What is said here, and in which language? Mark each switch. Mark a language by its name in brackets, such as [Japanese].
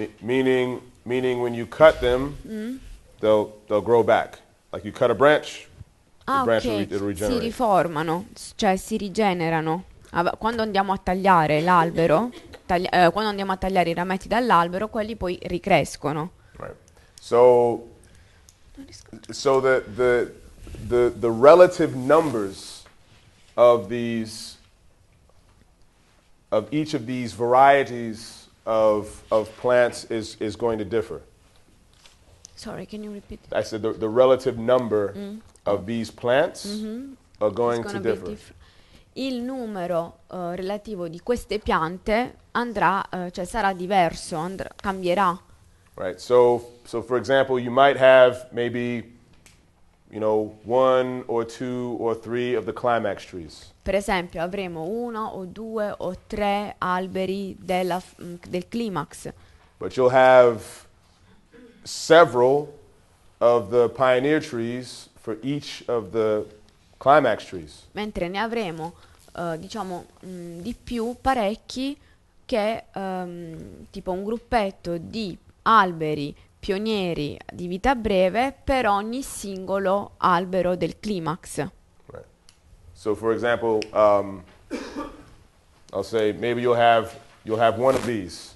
[English] Meaning when you cut them, they'll grow back. Like you cut a branch, branch will regenerate. [Italian] Si riformano, cioè si rigenerano. Quando andiamo a tagliare l'albero, quando andiamo a tagliare i rametti dall'albero, quelli poi ricrescono. [English] Right. So the relative numbers of these. Of each of these varieties of plants is going to differ. Sorry, can you repeat? I said the relative number of these plants are going to differ. [Italian] Il numero relativo di queste piante andrà, cioè sarà diverso, cambierà. [English] Right. So for example, you might have maybe, you know, one or two or three of the climax trees. [Italian] Per esempio, avremo uno o due o tre alberi del climax. [English] But you'll have several of the pioneer trees for each of the climax trees. [Italian] Mentre ne avremo, diciamo, di più parecchi che tipo un gruppetto di alberi pionieri di vita breve per ogni singolo albero del climax. [English] Right. So for example, I'll say maybe you'll have one of these.